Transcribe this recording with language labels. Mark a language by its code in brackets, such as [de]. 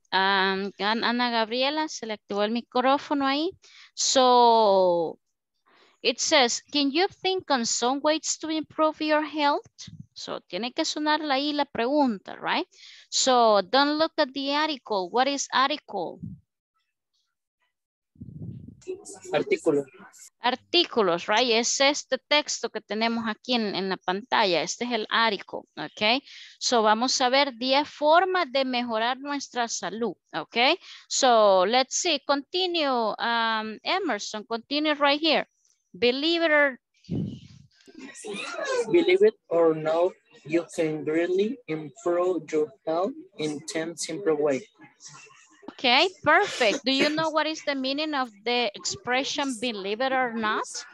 [es] Ana Gabriela, se le activó el micrófono ahí. So... [en] it says, can you think on some ways to improve your health? [es] So, tiene que sonar ahí la pregunta, right? [en] So, don't look at the article. What is article? [es] Artículos. Artículos, right? Es este texto que tenemos aquí en la pantalla. Este es el article, okay? So, vamos a ver 10 formas de mejorar nuestra salud, okay? [en] So, let's see. Continue, Emerson. Continue right here. Believe it or not, you can really improve your health in 10 simple ways. Okay, perfect. Do you know what is the meaning of the expression believe it or not?